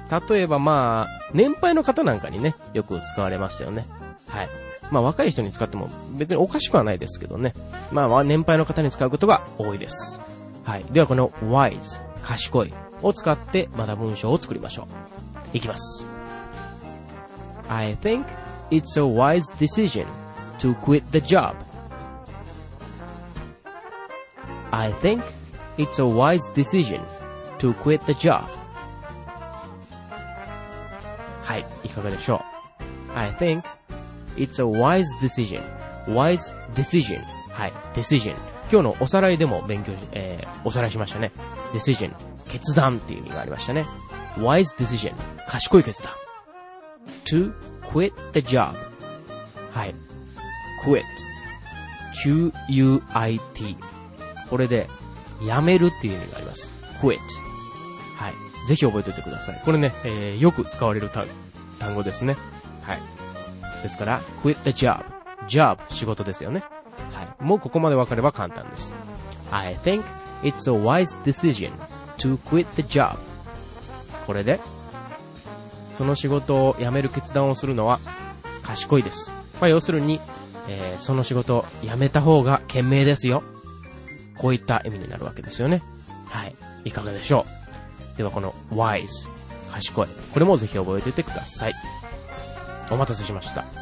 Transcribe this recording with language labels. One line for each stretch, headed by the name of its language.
Japanese: 例えばまあ年配の方なんかにね、よく使われますよね。はい、まあ若い人に使っても別におかしくはないですけどね、まあ年配の方に使うことが多いです。はい、ではこの wise、 賢いを使ってまた文章を作りましょう。いきます。
English: I think it's a wise decision to quit the job. I think it's a wise decision to quit the job.
Japanese: はい、いかがでしょう。
English: I thinkIt's a wise decision. Wise decision. はい。decision.
Japanese: 今日のおさらいでも勉強、おさらいしましたね。
English: decision.
Japanese: 決断っていう意味がありましたね。
English: wise decision.
Japanese: 賢い決断。
English: to quit the job. はい。quit. q-u-i-t.
Japanese: これで、やめるっていう意味があります。
English: quit. はい。
Japanese: ぜひ覚えておいてください。これね、よく使われる単語ですね。はい。ですから
English: quit the job、
Japanese: job 仕事ですよね。はい、もうここまで分かれば簡単です。
English: I think it's a wise decision to quit the job。
Japanese: これでその仕事を辞める決断をするのは賢いです。まあ、要するに、その仕事を辞めた方が賢明ですよ、こういった意味になるわけですよね。はい、いかがでしょう。ではこの wise、 賢い、これもぜひ覚えておいてください。お待たせしました。